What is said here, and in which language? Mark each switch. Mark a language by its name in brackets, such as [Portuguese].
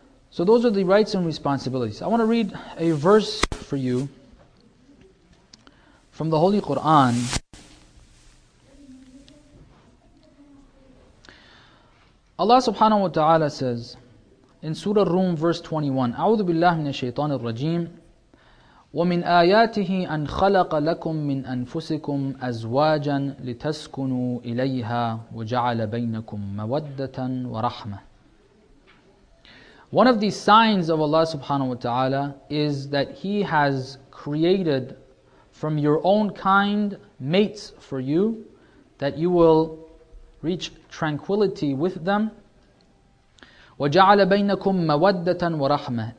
[English] So those are the rights and responsibilities. I want to read a verse for you from the Holy Quran. Allah subhanahu wa ta'ala says in Surah Rum verse 21, [Arabic] أعوذ بالله من الشيطان الرجيم وَمِنْ آيَاتِهِ أَنْ خَلَقَ لَكُمْ مِنْ أَنفُسِكُمْ أَزْوَاجًا لِتَسْكُنُوا إِلَيْهَا وَجَعَلَ بَيْنَكُمْ مَوَدَّةً وَرَحْمَةً. [English] One of the signs of Allah subhanahu wa ta'ala is that He has created from your own kind mates for you, that you will reach tranquility with them. [Arabic] وَجَعَلَ بَيْنَكُمْ مَوَدَّةً وَرَحْمَةً.